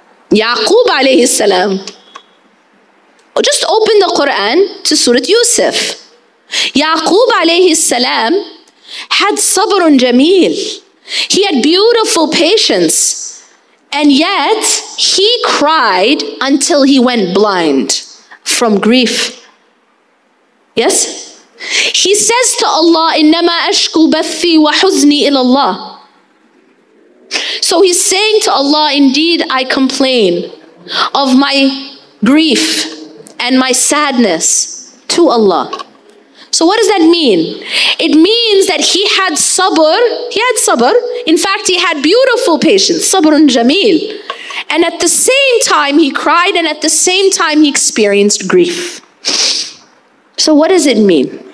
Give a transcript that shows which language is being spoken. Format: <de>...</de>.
<en>Yaqub alayhi salam. Just open the Quran to Surah Yusuf. Yaqub alayhi salam had sabrun jameel. He had beautiful patience. And yet, he cried until he went blind from grief. Yes? He says to Allah,</en> <ar>إِنَّمَا أَشْكُو بَثِّي وَحُزْنِي إِلَى اللَّهِ.</ar> <en>So he's saying to Allah, indeed I complain of my grief and my sadness to Allah. So what does that mean? It means that he had sabr. In fact, he had beautiful patience, sabrun jameel. And at the same time he cried and at the same time he experienced grief. So what does it mean?</en>